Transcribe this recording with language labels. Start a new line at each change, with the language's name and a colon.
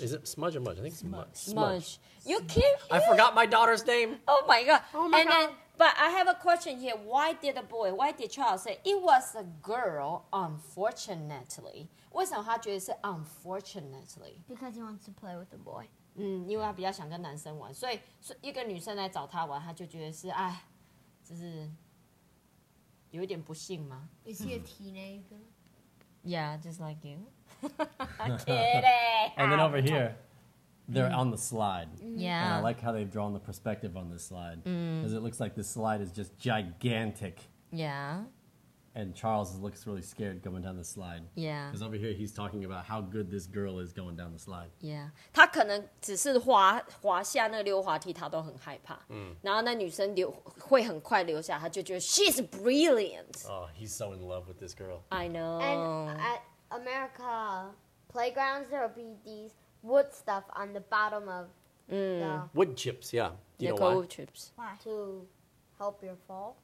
English: Is it Smudge or Mudge? I think it's Smudge. Smudge. You can't hear. I forgot my daughter's name. Oh, my God. Oh, my God. But I have a question here. Why did Charles say it was a girl, unfortunately?
Chinese: 为什么他觉得是
English: unfortunately? Because he wants to play with a boy.
Chinese: 因为他比较想跟男生玩, 所以一个女生来找他玩, 他就觉得是, 哎, 就是有一点不幸吗?
English: Is he a teenager? Yeah, just like you. Kidding! And then over here. They're on the slide. Yeah. And I like how they've drawn the perspective on this slide. Because it looks like this slide is just gigantic. Yeah. And Charles looks really scared going down the slide. Yeah. Because over here he's talking about how good this girl is going down the slide. Yeah.
Chinese: 他可能只是滑下那溜滑梯他都很害怕. 然后那女生会很快留下,他就觉得
English: she's brilliant. Oh, he's so in love with this girl. I know. And at America playgrounds, there will be these wood stuff on the bottom of the... Wood chips, yeah. Do you know why? Wood chips. Why? To help your fall.